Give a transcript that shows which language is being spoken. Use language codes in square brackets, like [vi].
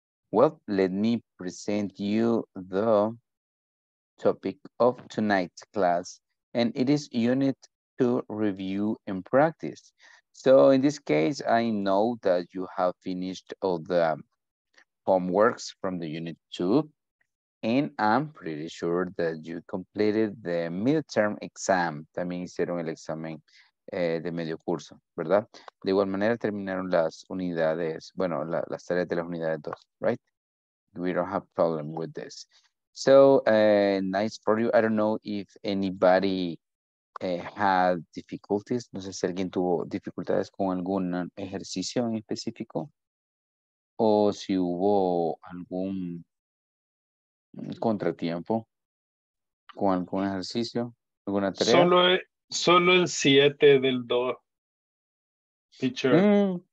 [en] Well, let me present you the topic of tonight's class, and it is unit 2, review and practice. So in this case, I know that you have finished all the homeworks from the unit 2, and I'm pretty sure that you completed the midterm exam. [es] También hicieron el examen de medio curso, ¿verdad? De igual manera terminaron las unidades, bueno, las tareas de las unidades 2, right? [en] We don't have problem with this. So, nice for you. I don't know if anybody had difficulties. [es] No sé si alguien tuvo dificultades con algún ejercicio en específico. O si hubo algún contratiempo con algún ejercicio, alguna tarea. Solo el 7 del 2, teacher.